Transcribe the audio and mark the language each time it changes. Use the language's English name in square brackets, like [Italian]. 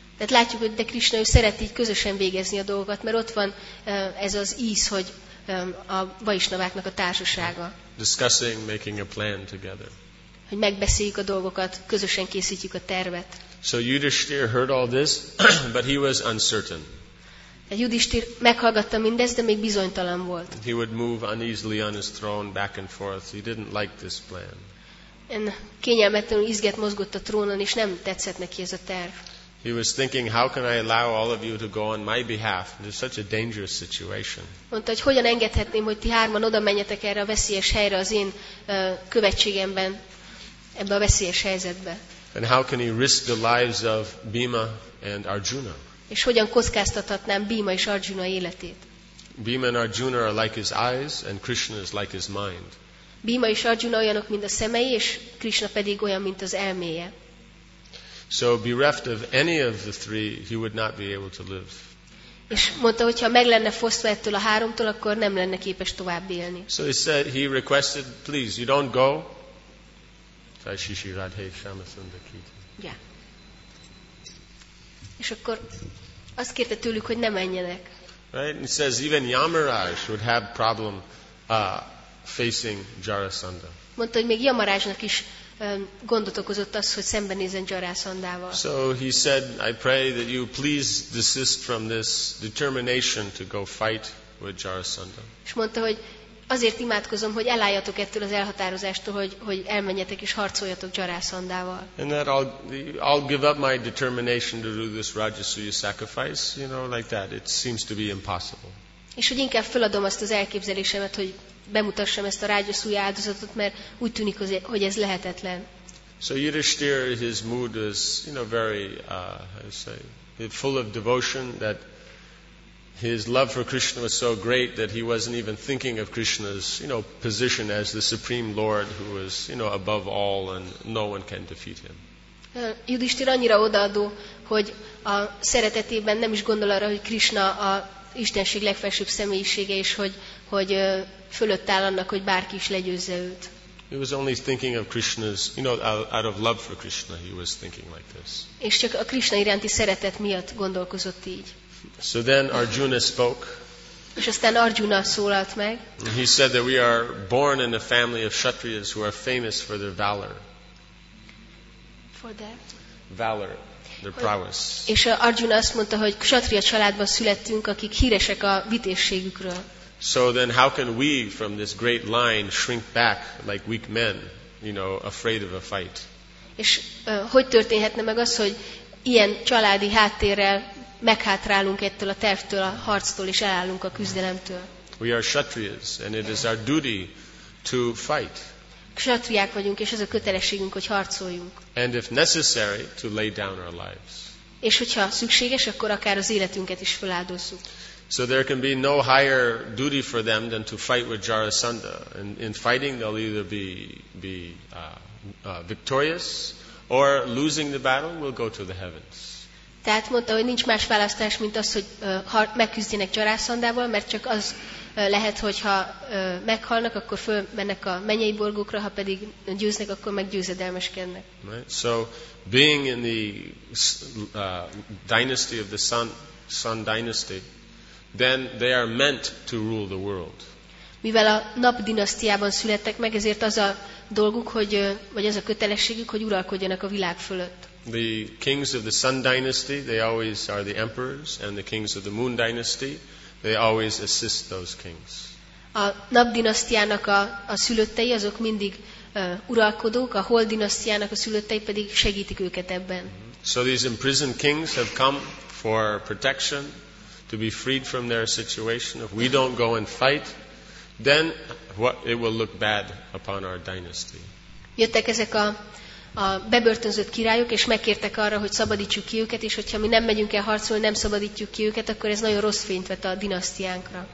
[Hungarian] Tehát látjuk, hogy de Krishna ő szeret így közösen végezni a dolgokat, mert ott van ez az íz, hogy a Vaishnaváknak a társasága. [English] Discussing, making a plan together. [Hungarian] Hogy megbeszéljük a dolgokat, közösen készítjük a tervet. [English] So Yudhishthir heard all this, but he was uncertain. [Hungarian] Yudhishthir meghallgatta mindezt, de még bizonytalan volt. [English] He would move uneasily on his throne back and forth. He didn't like this plan. [Hungarian] Kényelmetlenül izgett, mozgott a trónon, és nem tetszett neki ez a terv. [English] He was thinking, how can I allow all of you to go on my behalf? This is such a dangerous situation. [Hungarian] Mondta, hogy hogyan engedhetném, hogy ti hárman oda menjetek erre a veszélyes helyre az én követségemben, ebbe a veszélyes helyzetbe. [English] And how can he risk the lives of Bhima and Arjuna? [Hungarian] És hogyan kockáztathatnám Bhima és Arjuna életét? [English] Bhima and Arjuna are like his eyes, and Krishna is like his mind. [Hungarian] Bhima és Arjuna olyanok, mint a szemei, és Krishna pedig olyan, mint az elméje. [English] So bereft of any of the three, he would not be able to live. [Hungarian] És mondta, hogy ha meg lenne fosztva ettől a háromtól, akkor nem lenne képes tovább élni. [English] So he said, he requested, please, you don't go. Shishi Radhe Shamasundakita. Yeah. [Hungarian] És akkor azt kérte tőlük, hogy ne menjenek. [English] Right? He says even Yamaraj would have problem facing Jarasandha. [Hungarian] Mondta, hogy még Yamarajnak is gondot okozott az, hogy szembenézzen Jarasandával. [English] So he said, I pray that you please desist from this determination to go fight with Jarasandha. [Hungarian] És mondta, hogy azért imádkozom, hogy elálljatok ettől az elhatározástól, hogy elmenjetek és harcoljatok Jarasandával. [English] And that I'll give up my determination to do this Rajasuya sacrifice, you know, like that. It seems to be impossible. [Hungarian] És hogy inkább feladom azt az elképzelésemet, hogy bemutassam ezt a Rajasuya áldozatot, mert úgy tűnik, hogy ez lehetetlen. [English] So Yudhishthir, his mood is, you know, very, how to say, full of devotion that his love for Krishna was so great that he wasn't even thinking of Krishna's, you know, position as the Supreme Lord who is, you know, above all and no one can defeat him. [Hungarian] Yudhishthir annyira odaadó, hogy a szeretetében nem is gondol arra, hogy Krishna a Istenség legfelsőbb személyisége, és hogy fölött áll annak, hogy bárki is legyőzze őt. [English] He was only thinking of Krishna's, you know, out of love for Krishna, he was thinking like this. [Hungarian] És csak a Krishna iránti szeretet miatt gondolkozott így. [English] So then Arjuna spoke. [Hungarian] És aztán Arjuna szólalt meg. [English] He said that we are born in a family of Kshatriyas who are famous for their valor. For their valor, their prowess. [Hungarian] És Arjuna azt mondta, hogy Kshatriya családban születtünk, akik híresek a vitézségükről. [English] So then how can we from this great line shrink back like weak men, you know, afraid of a fight? [Hungarian] És hogy történhetne meg az, hogy ilyen családi háttérrel meghátrálunk ettől a tervtől, a harctól, és elállunk a küzdelemtől. [English] We are Kshatriyas, and it is our duty to fight. [Hungarian] Kshatriyák vagyunk, és ez a kötelességünk, hogy harcoljunk. [English] And if necessary, to lay down our lives. [Hungarian] És hogyha szükséges, akkor akár az életünket is feláldozzuk. [English] So there can be no higher duty for them than to fight with Jarasandha. And in fighting, they'll either be victorious, or losing the battle will go to the heavens. [Hungarian] Tehát mondta, hogy nincs más választás, mint az, hogy megküzdjenek Jarászandával, mert csak az lehet, hogyha meghalnak, akkor fölmennek a mennyei borgókra, ha pedig győznek, akkor meggyőzedelmeskednek. [English] Right. So, being in the dynasty of the Sun dynasty, then they are meant to rule the world. [Hungarian] Mivel a nap dinasztiában születtek meg, ezért az a dolguk, hogy, vagy az a kötelességük, hogy uralkodjanak a világ fölött. [English] The kings of the Sun dynasty, they always are the emperors, and the kings of the Moon dynasty, they always assist those kings. [Hungarian] A nap dinasztiának a szülöttei, azok mindig uralkodók, a Hold dinasztiának a szülöttei pedig segítik őket ebben. [English] So these imprisoned kings have come for protection, to be freed from their situation. If we don't go and fight, then what it will look bad upon our dynasty. [Hungarian] Jöttek ezek a bebörtönzött királyok, és megkértek arra, hogy szabadítsuk ki őket, és hogyha mi nem megyünk el harcolni, nem szabadítjuk ki őket, akkor ez nagyon rossz fényt vet a dinasztiánkra.